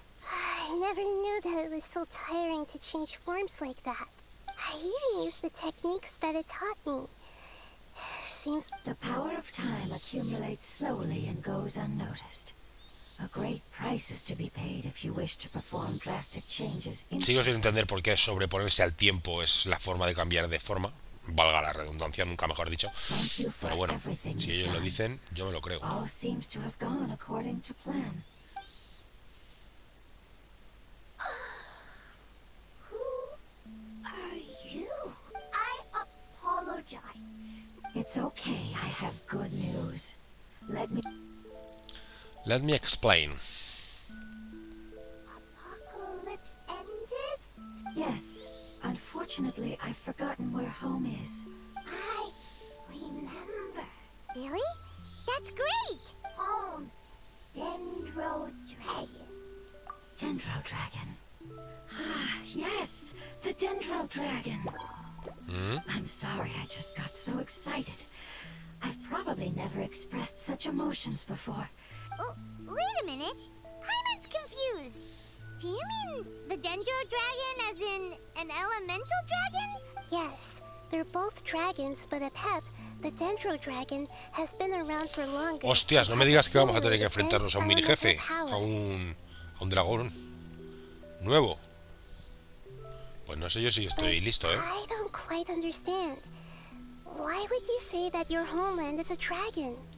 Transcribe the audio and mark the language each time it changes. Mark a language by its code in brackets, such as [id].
[en] I never knew that it was so tiring to change forms like that. I even used the techniques that it taught me. Seems the power of time accumulates slowly and goes unnoticed. A great price is to be paid if you wish to perform drastic changes. [es] Sigo sin entender por qué sobreponerse al tiempo es la forma de cambiar de forma. Valga la redundancia, nunca mejor dicho. Pero bueno, si ellos lo dicen, yo me lo creo. [en] All seems to have gone according to plan. Who are you? I apologize. It's okay, I have good news. Let me explain. Apocalypse ended? Yes. Unfortunately, I've forgotten where home is. I remember. Really? That's great! Home. Dendrodragon. Dendrodragon. Ah, yes! The Dendrodragon. I'm sorry, I just got so excited. I've probably never expressed such emotions before. Oh, wait a minute. Paimon's confused. Do you mean the Dendrodragon as in an elemental dragon? Yes, they're both dragons, but a pep, the Dendrodragon has been around for longer. [es] Hostias, no me digas que vamos a tener que enfrentarnos a un mini jefe, a un dragón nuevo. Pues no sé yo si estoy listo, ¿eh? [en] I don't quite understand. Why would you say that your homeland is a dragon?